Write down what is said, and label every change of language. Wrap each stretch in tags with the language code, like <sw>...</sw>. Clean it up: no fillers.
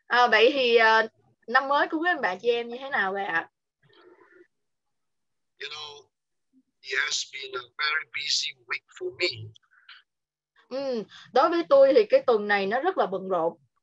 <vi>Vậy thì năm mới của quý anh bạn chị em như thế nào vậy ạ?</vi> <en>You know, it has been a very busy week for me.</en> <vi>Đối với tôi thì cái tuần này nó rất là bận rộn.</vi>